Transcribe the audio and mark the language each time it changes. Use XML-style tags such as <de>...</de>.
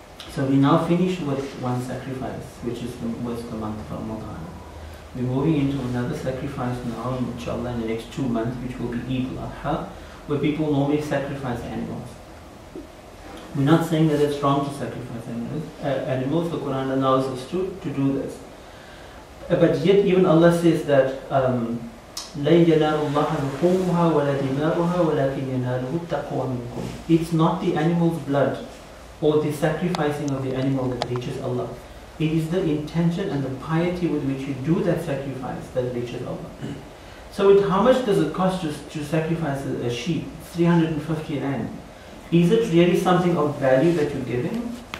<en>So we now finish with one sacrifice, which is the month of Ramadan. We're moving into another sacrifice now, inshallah, in the next 2 months, which will be Eid al-Adha, where people normally sacrifice animals. We're not saying that it's wrong to sacrifice animals, the Quran allows us to do this. But yet even Allah says that,</en> <ar>لَا يَنَالُ اللَّهَ لُحُومُهَا وَلَا دِمَاؤُهَا وَلَكِنْ يَنَالُهُ التَّقْوَى مِنْكُمْ.</ar> <en>It's not the animal's blood or the sacrificing of the animal that reaches Allah. It is the intention and the piety with which you do that sacrifice that reaches Allah. So it, how much does it cost just to sacrifice a sheep? 350 rand. Is it really something of value that you're giving?</en>